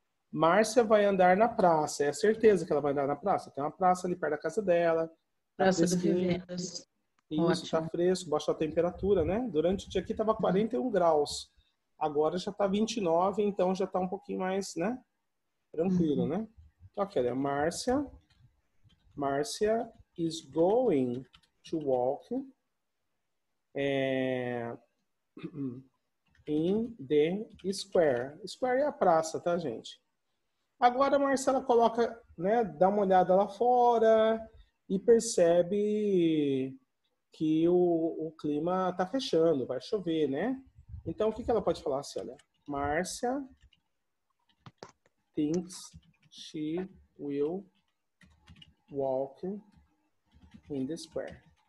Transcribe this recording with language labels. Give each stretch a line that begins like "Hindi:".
Portuguese: Márcia vai andar na praça. É a certeza que ela vai andar na praça. Tem uma praça ali perto da casa dela. Praça dos Viveiros. Isso, tá fresco. Baixou a temperatura, né? Durante o dia aqui tava 41 graus. Agora já tá 29, então já tá um pouquinho mais, né? Tranquilo, né? Então aqui, olha.
English: Márcia is going to walk in the square.
Portuguese: Square é a praça, tá, gente? Agora a Marcela coloca, né, dá uma olhada lá fora e percebe que o clima tá fechando, vai chover, né? Então, o que ela pode falar assim, olha?
English: Marcia thinks she will walk in the square.